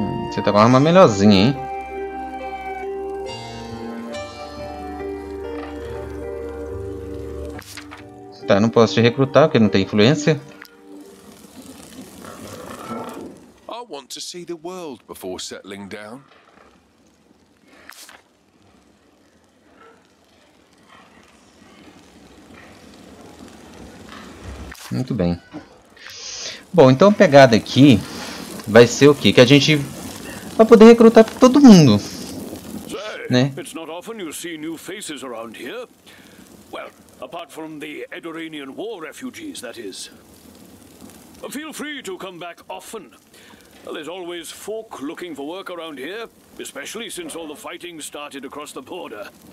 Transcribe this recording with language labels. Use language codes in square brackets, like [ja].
[pt] Você tá com uma arma melhorzinha, hein? Tá, não posso te recrutar porque não tem influência. [en] I want to see the world before settling down. [pt] Muito bem. Bom, então a pegada aqui vai ser o quê? Que a gente vai poder recrutar todo mundo. Né? [en] It's not often you see new faces around here. Well, apart from the Edoranian war refugees, that is. Feel free to come back often. There's always folk looking for work around here, especially since all the fighting started across the border.